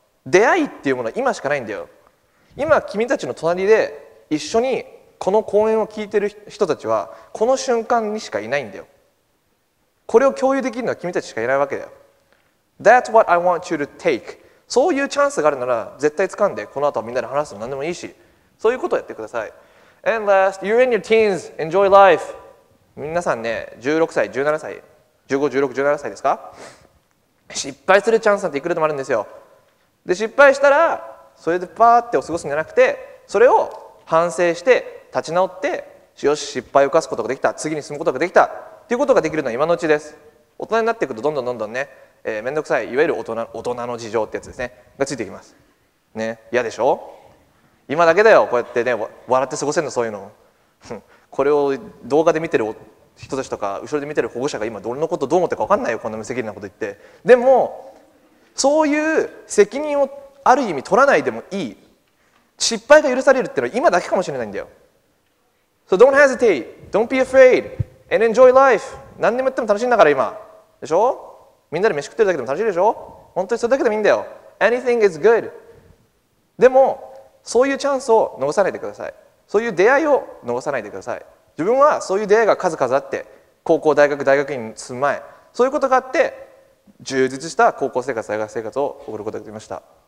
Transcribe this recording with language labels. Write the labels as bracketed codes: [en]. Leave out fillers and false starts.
[ja] 出会いっていうものは今しかないんだよ。今君たちの隣で一緒にこの講演を聞いてる人たちはこの瞬間にしかいないんだよ。これを共有できるのは君たちしかいないわけだよ。 [en] That's what I want you to take。 [ja] そういうチャンスがあるなら絶対掴んで、この後はみんなで話すの何でもいいし、そういうことをやってください。 [en] And last, you're in your teens, enjoy life。 [ja] 皆さんね、16歳、17歳、15、16、17歳ですか。失敗するチャンスなんていくらでもあるんですよ。で、失敗したらそれでパーってお過ごすんじゃなくて、それを反省して立ち直って、よし、失敗を犯すことができた、次に進むことができたっていうことができるのは今のうちです。大人になっていくとどんどんどんどんね、めんどくさい、いわゆる大人の事情ってやつですね、がついてきますね。嫌でしょ。今だけだよ、こうやってね、笑って過ごせるの、そういうの。これを動画で見てる人たちとか、後ろで見てる保護者が今どんなことどう思ってか分かんないよ、こんな無責任なこと言って。でもそういう責任をある意味取らないでもいい、失敗が許されるってのは今だけかもしれないんだよ。 [en] So don't hesitate, don't be afraid, and enjoy life. [ja] 何でもやっても楽しいんだから今。でしょ？みんなで飯食ってるだけでも楽しいでしょ？本当にそれだけでもいいんだよ。 [en] Anything is good. [ja] でも、そういうチャンスを逃さないでください。そういう出会いを逃さないでください。自分はそういう出会いが数々あって、高校、大学、大学院に住む前、そういうことがあって、充実した高校生活、大学生活を送ることができました。